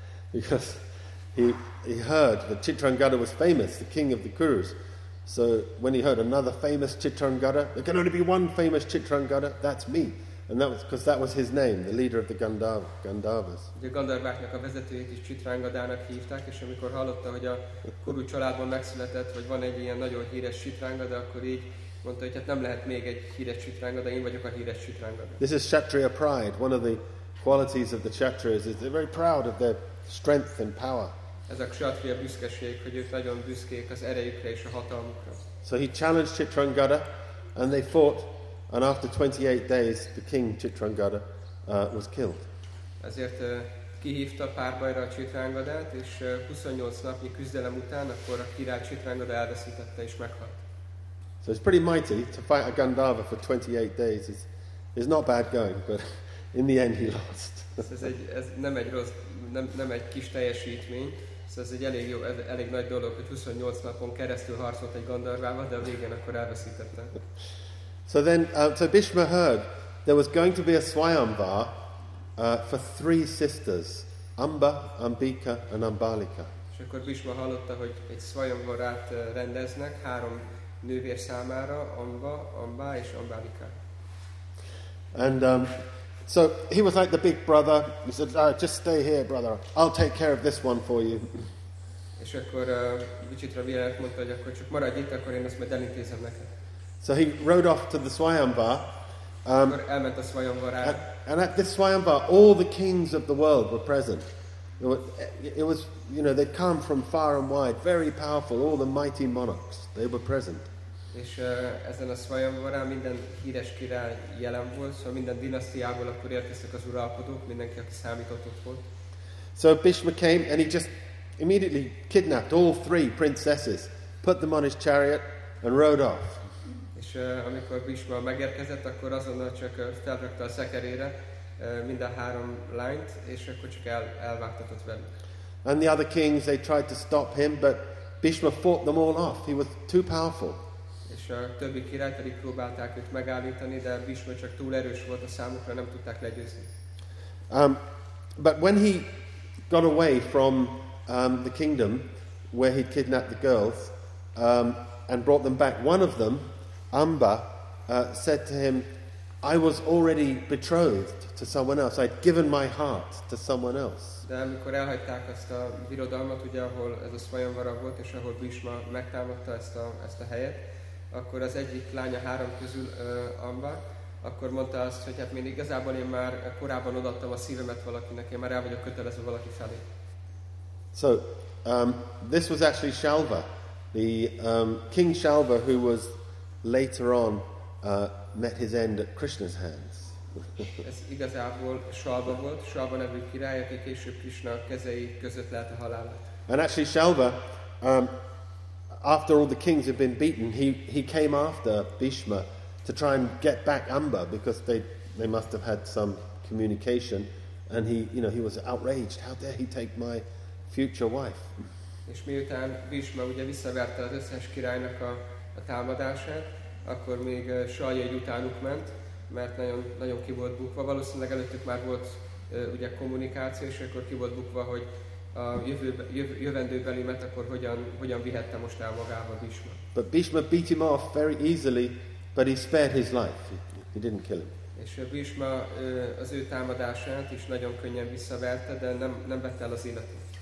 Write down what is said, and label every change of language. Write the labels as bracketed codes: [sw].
[en] Because he heard that Chitrangada was famous, the king of the Kurus. So when he heard another famous Chitrangada, there can only be one famous Chitrangada, that's me. And that was because that was his name, the leader of the Gandharvas. [hu] A Gandharváknak a vezetőjét is Chitrangadának hívták, és amikor hallotta, hogy a Kuru családban megszületett, hogy van egy ilyen nagyon híres Chitrangada, akkor így mondta, hogy hát nem lehet még egy híres Chitrangada, én vagyok a híres Chitrangada. [en] This is Kshatriya pride. One of the qualities of the Kshatriyas is they're very proud of their strength and power. [hu] Ez a Kshatriya büszkeség, hogy ők nagyon büszkék az erejükre és a hatalmukra. [en] So he challenged Chitrangada, and they fought. And after 28 days, the king Chitrangada was killed. [hu] Ezért kihívta párbajra a Chitrangadát, és 28 napnyi küzdelem után akkor a király Chitrangada elveszítette és meghalt. [en] So it's pretty mighty to fight a Gandharva for 28 days. It's not bad going, but in the end he lost. [hu] ez nem egy kis teljesítmény. Szóval ez egy elég jó, elég nagy dolog, hogy 28 napon keresztül harcolt egy Gandharvával, de a végén akkor elveszítette. [en] So then, so Bhishma heard there was going to be a Swayamvar for three sisters, Amba, Ambika, and Ambalika. [hu] És akkor Bhishma hallotta, hogy egy Swayamvarát rendeznek három nővér számára, Amba, Amba, és Ambalika. [en] And So he was like the big brother. He said, oh, just stay here, brother. I'll take care of this one for you. [hu] És akkor Vichitra Virat mondta, hogy akkor csak maradj itt, akkor én ezt majd elintézem neked. [en] So he rode off to the Swayamvar. [hu] Elment a Swayamvarára. [en] And at this Swayamvar, all the kings of the world were present. It was, you know, they'd come from far and wide, very powerful, all the mighty monarchs, they were present. [hu] És ezen a Swayamvara minden híres király jelen volt, szóval minden dinasztiából akkor érkeztek az uralkodók, mindenki, aki számított ott volt. [en] So Bhishma came and he just immediately kidnapped all three princesses, put them on his chariot and rode off. [hu] És amikor Bhishma megérkezett, akkor azonnal csak felrakta a szekerére minden három lányt, és akkor csak elvágtatott velük. [en] And the other kings, they tried to stop him, but Bhishma fought them all off. He was too powerful. [hu] És a többi király pedig próbálták őt megállítani, de Bhishma csak túl erős volt a számukra, nem tudták legyőzni. [en] But when he got away from the kingdom where he kidnapped the girls and brought them back, one of them, Amba, said to him, I was already betrothed to someone else. I'd given my heart to someone else. [hu] De amikor elhagyták ezt a birodalmat, ugye, ahol ez a Svayamvara volt, és ahol Bhishma megtámadta ezt a helyet, akkor az egyik lánya három közül, Amba, akkor mondta azt, hogy hát még igazából én már korábban odaadtam a szívemet valakinek, én már el vagyok kötelezve valaki felé. [en] So, this was actually Shalva, the King Shalva, who was later on met his end at Krishna's hands. [hu] Ez igazából Shalva volt, Shalva nevű király, aki később Krishna kezei között lelt a halálát. [en] And actually Shalva, after all the kings had been beaten, he came after Bhishma to try and get back Amba, because they must have had some communication, and he was outraged. How dare he take my future wife? [hu] És miután Bhishma ugye visszaverte az összes királynak a támadását, akkor még Shalya egy utánuk ment, mert nagyon ki volt bukva. Valószínűleg előttük már volt ugye kommunikáció, és akkor ki volt bukva, hogy a jövendőbelimet akkor hogyan vihette most el magával Bhishma. [en] But Bhishma beat him off very easily, but he spared his life. He didn't kill him. [hu] És Bhishma az ő támadását is nagyon könnyen visszaverte, de nem vette el az életét.